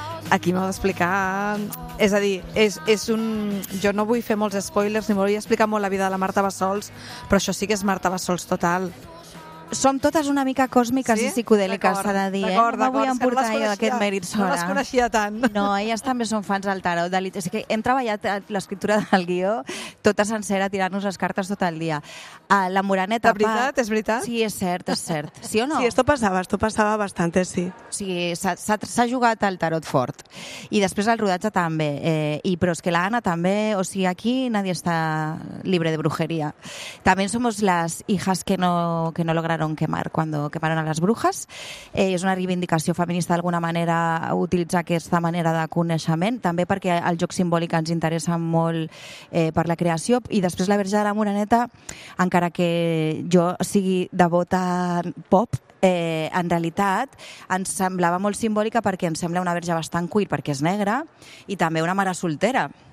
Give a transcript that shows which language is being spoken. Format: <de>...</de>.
<ca>Aquí m'ho ha d'explicar. És a dir, jo no vull fer molts spoilers ni volia explicar molt la vida de la Marta Bassols, però això sí que és Marta Bassols total. Som totes una mica còsmiques, sí? I psicodèliques, s'ha de dir. D'acord, no vull emportar jo aquest mèrit sola. No les coneixia tant. No, elles també són fans del tarot. És que hem treballat l'escriptura del guió tota sencera, tirant-nos les cartes tot el dia. La Morana etapa... De veritat? És veritat? Sí, és cert, és cert. Sí o no?</ca> <es>Sí, esto pasaba bastante, sí.</es> <ca>Sí, s'ha jugat el tarot fort. I després el rodatge també. Però és que l'Anna també... O sigui, aquí</ca> <es>nadie està libre de brujeria. També somos las hijas que no logran quemar cuando quemaron a las brujas.</es> <ca>És una reivindicació feminista d'alguna manera utilitzar aquesta manera de coneixement, també perquè el joc simbòlic ens interessa molt per la creació. I després la Verge de la Moreneta, encara que jo sigui devota pop, en realitat ens semblava molt simbòlica perquè ens sembla una verge bastant queer perquè és negra i també una mare soltera.</ca>